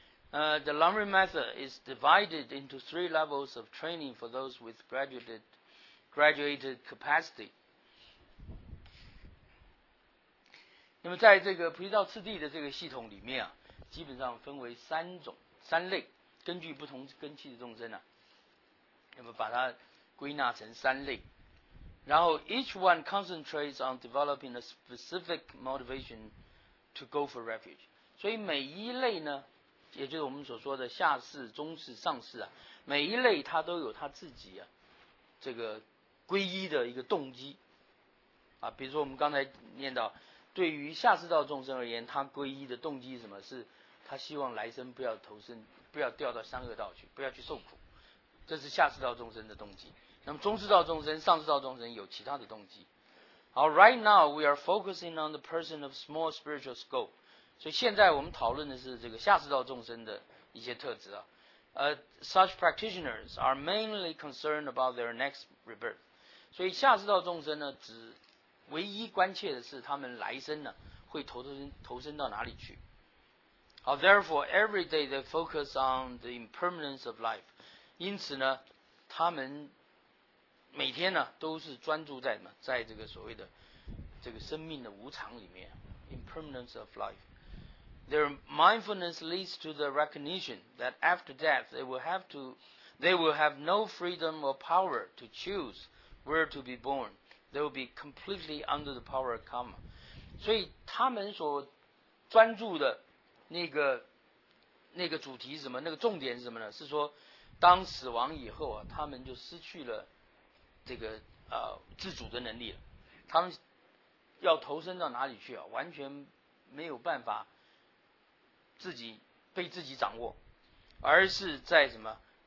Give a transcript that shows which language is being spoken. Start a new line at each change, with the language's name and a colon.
English: The Lamrim method is divided into three levels of training for those with graduated capacity。
Chinese: 那么在这个菩提道次第的这个系统里面啊，基本上分为三类，根据不同根器的众生啊，那么把它归纳成三类。
English: 然后 each one concentrates on developing a specific motivation to go for refuge。
Chinese: 所以每一类呢，也就是我们所说的下士、中士、上士啊，每一类它都有它自己啊这个皈依的一个动机啊。比如说我们刚才念到，对于下士道众生而言，他皈依的动机是什么？是他希望来生不要投生，不要掉到三恶道去，不要去受苦，这是下士道众生的动机。那么中士道众生、上士道众生有其他的动机。
English: 好 ，Right now we are focusing on the person of small spiritual scope。
Chinese: 所以现在我们讨论的是这个下士道众生的一些特质啊。
English: Such practitioners are mainly concerned about their next rebirth。
Chinese: 所以下士道众生呢，只唯一关切的是他们来生呢会投身到哪里去。
English: 好 ，therefore every day they focus on the impermanence of life。
Chinese: 因此呢，他们每天呢都是专注在什么，在这个所谓的这个生命的无常里面 ，
English: impermanence of life。 Their mindfulness leads to the recognition that after death they will have no freedom or power to choose where to be born。 They will be completely under the power of karma.
Chinese: 所以他们所专注的那个主题是什么？那个重点是什么呢？是说，当死亡以后啊，他们就失去了这个自主的能力了。他们要投身到哪里去啊？完全没有办法自己被自己掌握，而是在什么？